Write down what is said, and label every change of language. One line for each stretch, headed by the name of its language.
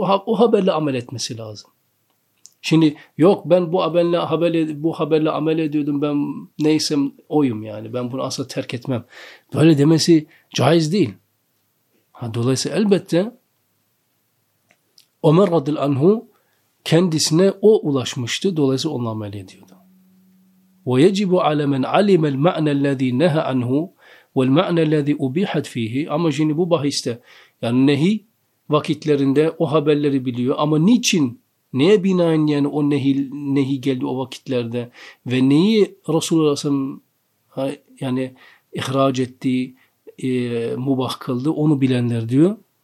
Turkish: O haberle amel etmesi lazım. Şimdi yok ben bu haberle amel ediyordum, ben neysem oyum yani, ben bunu asla terk etmem. Böyle demesi caiz değil. Ha, dolayısıyla elbette Ömer radıyallahu anhu kendisine o ulaşmıştı, dolayısıyla onunla amel ediyordu.
Arabic: ويجب على من علم المعنى الذي نهى عنه والمعنى الذي أبيحت فيه.
Turkish: Ama şimdi bu bahiste yani nehi vakitlerinde o haberleri biliyor ama niçin, neye binaen yani o nehi geldi o vakitlerde ve neyi Resulullah sallallahu aleyhi ve sellem yani ihraç etti, mubah kıldı, onu bilenler diyor.